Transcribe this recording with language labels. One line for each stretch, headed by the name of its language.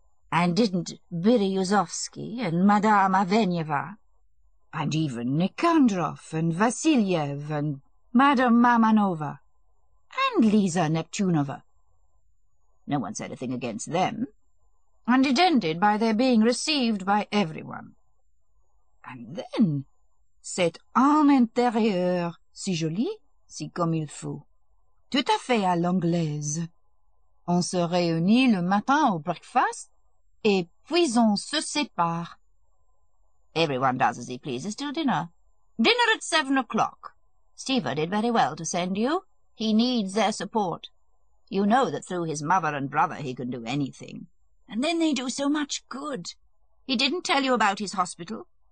English: And didn't Biryuzovsky and Madame Avenyeva, and even Nikandrov and Vasilyev and Madame Mamanova, and Liza Neptunova. No one said a thing against them. And it ended by their being received by everyone. And then,
French: cet homme intérieur, si joli, si comme il faut, tout à fait à l'anglaise. On se réunit le matin au breakfast, et puis on se sépare.
English: Everyone does as he pleases till dinner. Dinner at 7 o'clock. Steva did very well to send you. He needs their support. You know that through his mother and brother he can do anything. And then they do so much good. He didn't tell you about his hospital.